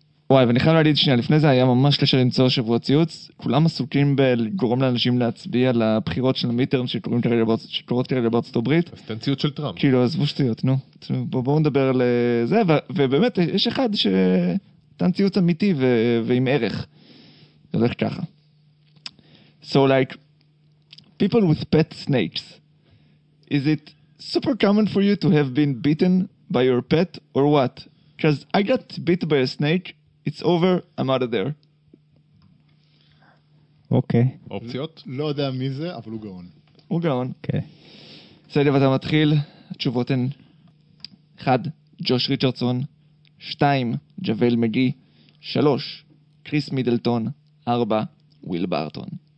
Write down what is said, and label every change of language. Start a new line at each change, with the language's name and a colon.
Hebrew: וואי, ואני חייב להגיד שנייה, לפני זה היה ממש קשה למצוא שבוע ציוץ. כולם עסוקים בלגרום לאנשים להצביע לבחירות של המיטרם שקורות כרגע בארצות הברית. אז תן ציוץ של טראמפ. כאילו, עזבו שטויות, נו. בואו נדבר על זה, ובאמת, יש אחד שתן ציוץ אמיתי ועם ערך. זה הולך ככה.
English: So like, people with pet snakes, is it super common for you to have been beaten by your pet or what? Because I got bit by a snake, It's over, I'm out of there.
Hebrew: אוקיי. אופציות? לא יודע מי זה, אבל הוא גאון. הוא גאון. כן. סדב, אתה מתחיל. התשובות הן 1. ג'וש ריצ'רדסון 2. ג'וול מגי 3. קריס מידלטון 4. וויל בארטון